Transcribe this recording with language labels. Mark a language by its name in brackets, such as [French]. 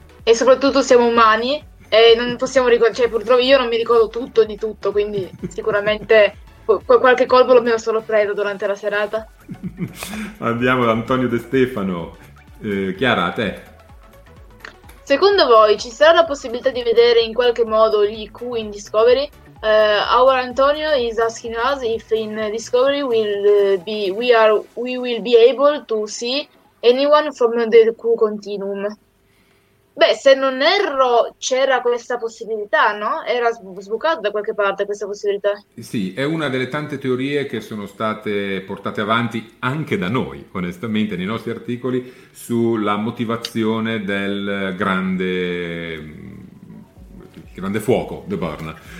[Italian] E soprattutto siamo umani e non possiamo ricordare, cioè purtroppo io non mi ricordo tutto di tutto, quindi sicuramente qualche colpo lo abbiamo solo preso durante la serata. Andiamo da Antonio De Stefano. Chiara, a te. Secondo voi ci sarà la possibilità di vedere in qualche modo gli Q in Discovery? [English] Our Antonio is asking us if in Discovery we will be able to see anyone from the Q Continuum. [Italian] Beh, se non erro, c'era questa possibilità, no? Era sbucata da qualche parte questa possibilità. Sì, è una delle tante teorie che sono state portate avanti anche da noi, onestamente, nei nostri articoli, sulla motivazione del grande fuoco, The Burn.